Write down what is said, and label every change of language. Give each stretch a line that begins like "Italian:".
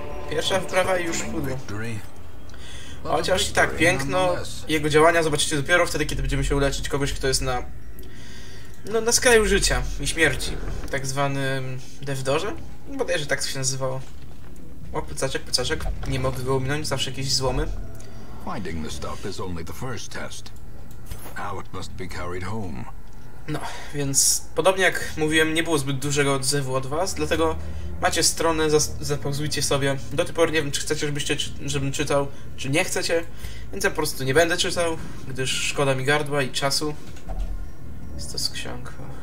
Polish: Pierwsza wyprawa i już pudło. Chociaż i tak, piękno jego działania zobaczycie dopiero wtedy, kiedy będziemy się uleczyć kogoś, kto jest na... no, na skraju życia i śmierci. Tak zwanym Devdorze? Bodajże tak się nazywało. O, pycaczek, pycaczek. Nie mogę go ominąć, zawsze jakieś złomy.
English: Finding the stuff is only the first test. Now it must be carried home.
Polish: No, więc podobnie jak mówiłem, nie było zbyt dużego odzewu od was, dlatego macie stronę, zapauzujcie sobie. Do tej pory nie wiem, czy chcecie, żebym czytał, czy nie chcecie, więc ja po prostu nie będę czytał, gdyż szkoda mi gardła i czasu. Jest to z ksiąg.